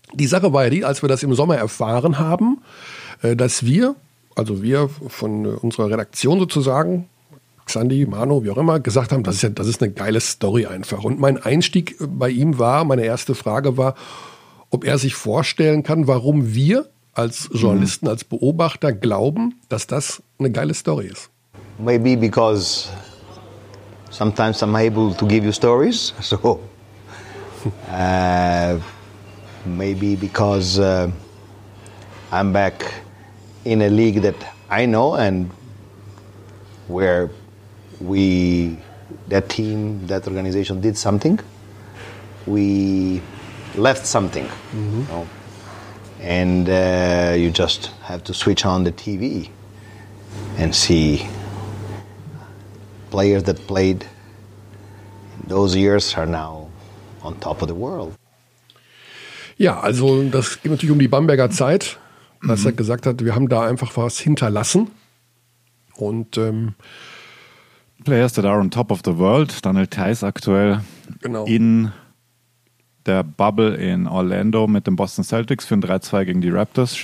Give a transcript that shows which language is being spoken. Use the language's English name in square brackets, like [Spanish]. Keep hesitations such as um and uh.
[German] Die Sache war ja die, als wir das im Sommer erfahren haben, äh, dass wir, also wir von äh, unserer Redaktion sozusagen, Xandi, Mano, wie auch immer, gesagt haben, das ist ja, das ist eine geile Story einfach. Und mein Einstieg äh, bei ihm war, meine erste Frage war, ob er sich vorstellen kann, warum wir als Journalisten, als Beobachter glauben, dass das eine geile Story ist. [English] Maybe because sometimes I'm able to give you stories, so uh, maybe because uh, I'm back in a league that I know and where we, that team, that organization did something. We left something, you know. and uh, you just have to switch on the TV and see players that played in those years are now on top of the world. [German] Ja, also das geht natürlich um die Bamberger Zeit, dass er gesagt hat, wir haben da einfach was hinterlassen. Und ähm, [English] Players that are on top of the world, Daniel Theiss [German] aktuell Genau. in der Bubble in Orlando mit den Boston Celtics für ein 3-2 gegen die Raptors.